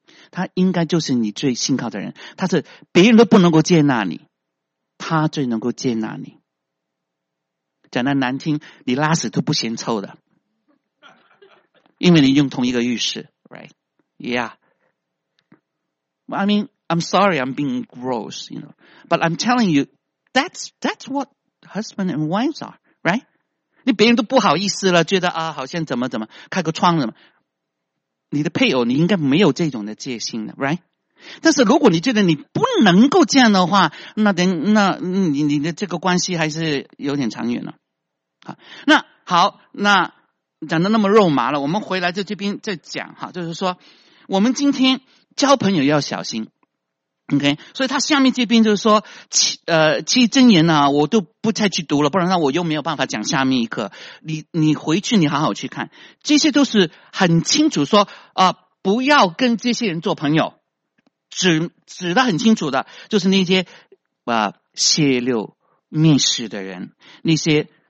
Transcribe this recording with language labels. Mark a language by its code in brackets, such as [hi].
[zh] 他应该就是你最信靠的人，他是别人都不能够接纳你，他最能够接纳你，讲得难听，你拉屎都不嫌臭的，因为你用同一个浴室。 [en] Right. Yeah. Well, I mean, I'm sorry I'm being gross, you know. But I'm telling you, that's what husband and wives are, right? [zh] 你别人都不好意思了，觉得啊，好像怎么开个窗怎么。你的配偶你应该没有这种的戒心的， right? 但是如果你觉得你不能够这样的话，那你的这个关系还是有点长远了。好，那好，那讲得那么肉麻了，我们回来就这边再讲哈，就是说我们今天交朋友要小心 OK， 所以他下面这边就是说其实真言呢、啊，我都不再去读了，不然我又没有办法讲下面一课，你回去你好好去看，这些都是很清楚说不要跟这些人做朋友，指得很清楚的，就是那些泄露密室的人，那些